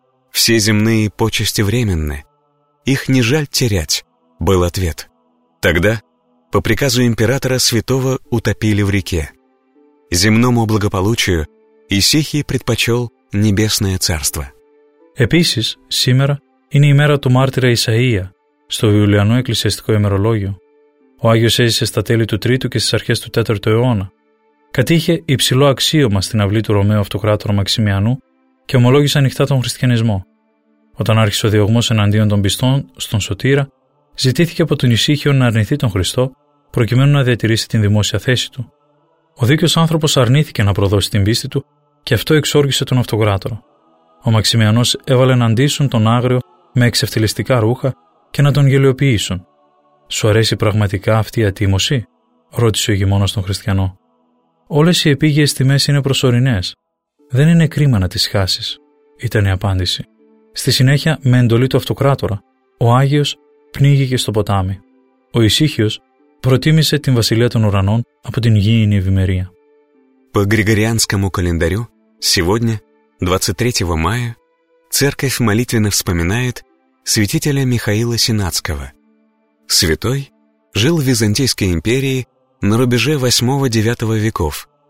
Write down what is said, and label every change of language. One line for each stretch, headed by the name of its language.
Russian: «Все земные почести временны. Их не жаль терять», — был ответ. Тогда, по приказу императора, святого утопили в реке. Земному благополучию Исихий предпочел Небесное Царство.
Greek: Επίσης, σήμερα είναι η μέρα του μάρτυρα Ισαΐα, στο Ιουλιανό Εκκλησιαστικό ημερολόγιο. Ο Άγιος έζησε στα τέλη του 3ου και στις αρχές του 4ου αιώνα. Κατήχε υψηλό αξίωμα στην αυλή του Ρωμαίου Αυτοκράτορα Μαξιμιανού και ομολόγησε ανοιχτά τον χριστιανισμό. Όταν άρχισε ο διωγμός εναντίον των πιστών στον Σωτήρα, ζητήθηκε από τον Ισίχιο να αρνηθεί τον Χριστό, προκειμένου να διατηρήσει την δημόσια θέση του. Ο δίκαιος άνθρωπος αρνήθηκε να προδώσει την πίστη του και αυτό εξόργησε τον Αυτοκράτορα. Ο Μαξιμιανός έβαλε να αντίσουν τον άγριο με εξευτελιστικά ρούχα και να τον γελιοποιήσουν. «Σου αρέσει πραγματικά αυτή η ατίμωση?» ρώτησε ο ηγεμόνας τον χριστιανό. «Όλες οι επίγειες τιμές είναι προσωρινές. Δεν είναι κρίμα να τις χάσεις», ήταν η απάντηση. Στη συνέχεια, με εντολή του Αυτοκράτορα, ο Άγιος πνίγηκε στο ποτάμι. Ο Ισίχιος προτίμησε την Βασιλεία των Ουρανών από την γήινη ευημερία.
Russian: По Григорианскому календарю, сегодня, 23 мая, церковь молитвенно вспоминает святителя Михаила Сенатского. Святой жил в Византийской империи на рубеже 8-9 веков.